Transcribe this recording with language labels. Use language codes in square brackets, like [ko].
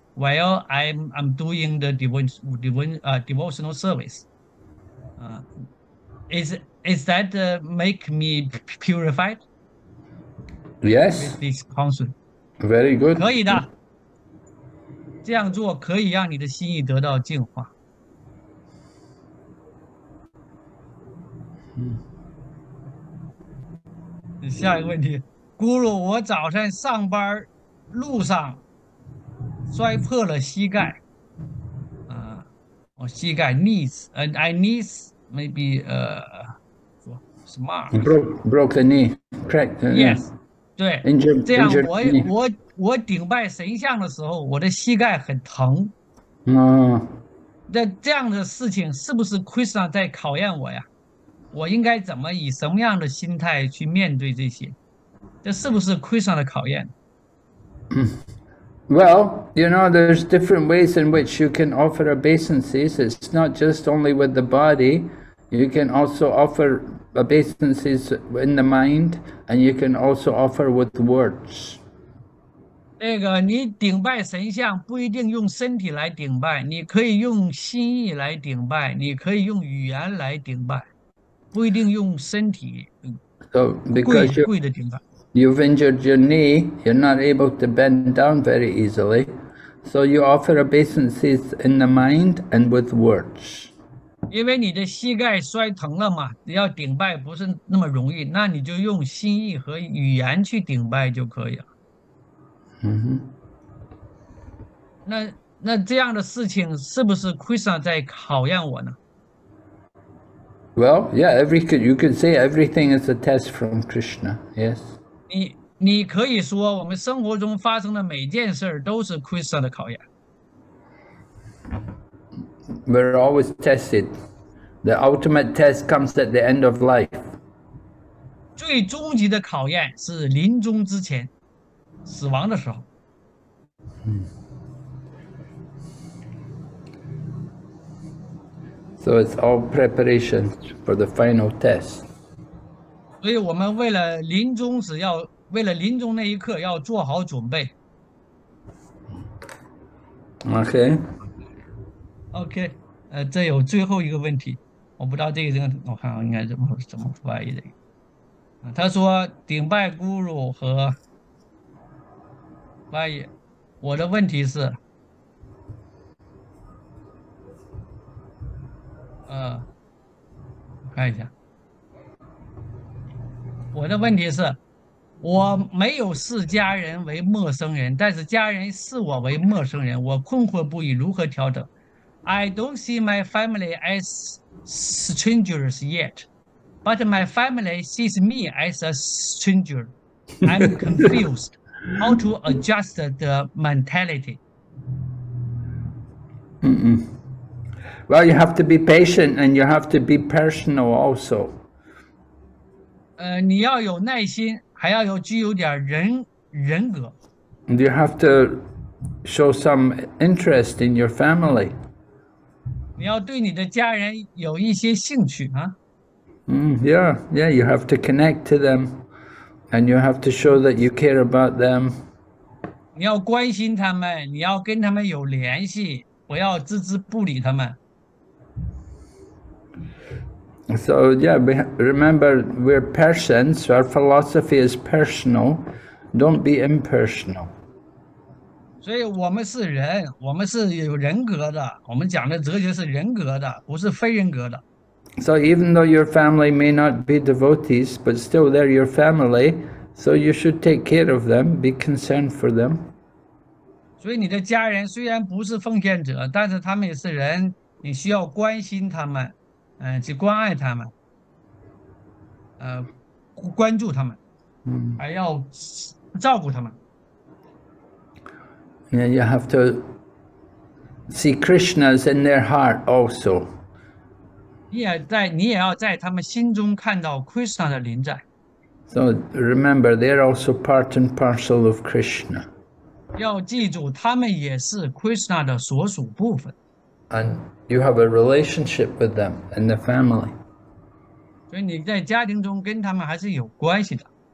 [en] While I'm doing the devotional service, is that make me purified with Yes, this concept? very [zh] 可以的，这样做可以让你的心意得到净化。下一个问题，咕噜，我早上上班路上。摔破了膝盖，我膝盖 [en] knees and I knees maybe smart Broke the knee, cracked yes [zh] 对，这样 [en] injured knee. [zh] 我顶拜神像的时候，我的膝盖很疼，那这样的事情是不是 Krishna 在考验我呀？我应该怎么以什么样的心态去面对这些？这是不是 Krishna 的考验？ [en] Well, there's different ways in which you can offer obeisances. It's not just only with the body. You can also offer obeisances in the mind, and you can also offer with words. [zh] 那个，你顶拜神像不一定用身体来顶拜，你可以用心意来顶拜，你可以用语言来顶拜，不一定用身体， [en] So, because you're [zh] 跪着顶拜。 [en] You've injured your knee, you're not able to bend down very easily. So you offer obeisances in the mind and with words. [zh] 因为你的膝盖摔疼了嘛，要顶拜不是那么容易，那你就用心意和语言去顶拜就可以了。那这样的事情是不是 Krishna 在考验我呢？ [en] Well, yeah, you can say everything is a test from Krishna. Yes. [zh] 你可以说我们生活中发生的每件事都是 Krishna 的考验。 [en] We're always tested. The ultimate test comes at the end of life. [zh] 最终极的考验是临终之前，死亡的时候。 [en] So it's all preparation for the final test. [zh] 所以我们为了临终时要为了临终那一刻要做好准备。 [en] Okay. Okay. [zh] 这有最后一个问题，我不知道这个，我看应该怎么翻译的。他说顶拜 Guru 和翻译，我的问题是。我看一下。我的问题是，我没有视家人为陌生人，但是家人视我为陌生人，我困惑不已，如何调整 ？ [en] I don't see my family as strangers yet, but my family sees me as a stranger. I'm confused how to adjust the mentality. Well, you have to be patient and you have to be personal also. [zh] 你要有耐心，还要有具有点人格。 [en] And you have to show some interest in your family. [zh] 你要对你的家人有一些兴趣啊。 [en] Yeah, you have to connect to them and you have to show that you care about them. [zh] 你要关心他们，你要跟他们有联系，不要置之不理他们。 [en] So yeah, remember we're persons. Our philosophy is personal. Don't be impersonal. [zh] 所以我们是人，我们是有人格的。我们讲的哲学是人格的，不是非人格的。 [en] So even though your family may not be devotees, but still they're your family. So you should take care of them, be concerned for them. [zh] 所以你的家人虽然不是奉献者，但是他们也是人，你需要关心他们。去关爱他们，关注他们，还要照顾他们。 [en] Yeah, you have to see Krishna's in their heart also. [zh] 你也要在他们心中看到 Krishna 的临在。 [en] So remember, they're also part and parcel of Krishna. [zh] 要记住，他们也是 Krishna 的所属部分。 [en] And you have a relationship with them in the family. [zh] 所以你在家庭中跟他们还是有关系的。